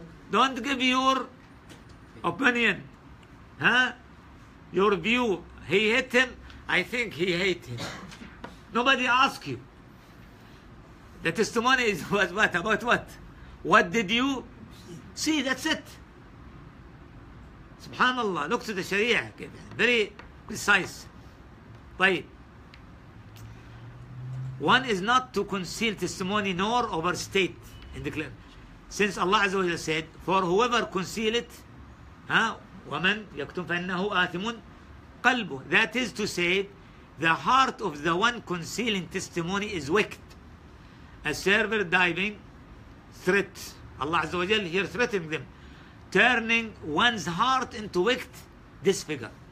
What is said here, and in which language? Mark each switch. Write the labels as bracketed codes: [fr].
[en] Don't give your opinion. Huh? Your view. He hit him. I think he hate him. Nobody ask you. The testimony is what? About what? What did you see? That's it. [ar] سبحان الله لقطة الشريعة كده [en] very precise. طيب one is not to conceal testimony nor overstate in the claim since Allah عز وجل said for whoever conceal it ها [ar] ومن يكتم فإنه آثم قلبه [en] that is to say the heart of the one concealing testimony is wicked a server diving threat Allah عز وجل here threatening them turning one's heart into wicked disfigure